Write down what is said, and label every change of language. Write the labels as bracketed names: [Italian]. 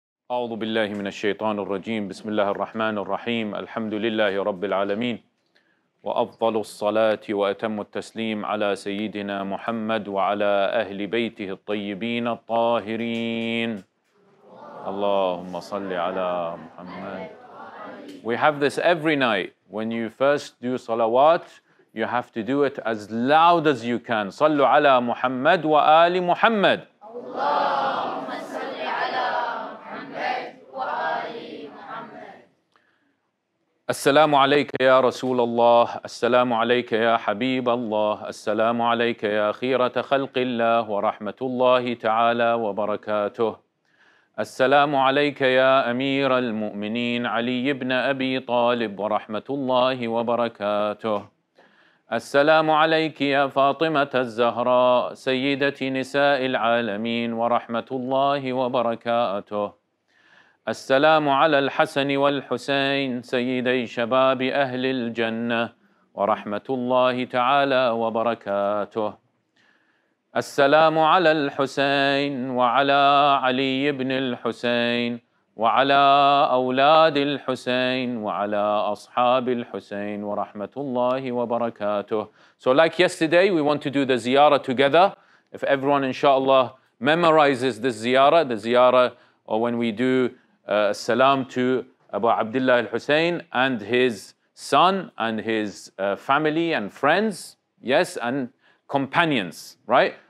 [Arabic] أعوذ بالله من الشيطان الرجيم بسم الله الرحمن الرحيم الحمد لله رب العالمين وأفضل الصلاة وأتم التسليم على سيدنا محمد وعلى أهل بيته الطيبين الطاهرين اللهم صل على محمد. [English] We have this every night. When you first do salawat, you have to do it as loud as you can. [Arabic] صلوا على محمد وآل محمد. اللهم صل على محمد وآل محمد. السلام عليك يا رسول الله، السلام عليك يا حبيب الله، السلام عليك يا خيرة خلق الله ورحمة الله تعالى وبركاته. السلام عليك يا أمير المؤمنين علي بن أبي طالب ورحمة الله وبركاته. السلام عليك يا فاطمة الزهراء سيدة نساء العالمين ورحمة الله وبركاته. السلام على الحسن والحسين سيدي شباب أهل الجنة ورحمة الله تعالى وبركاته. السلام على الحسين وعلى علي بن الحسين وعلى أولاد الحسين وعلى أصحاب الحسين ورحمة الله وبركاته. [English] So like yesterday, we want to do the ziyara together. If everyone, inshallah, memorizes the ziyara, or when we do salam to Abu Abdullah al-Hussein and his son and his family and friends, yes, and companions, right?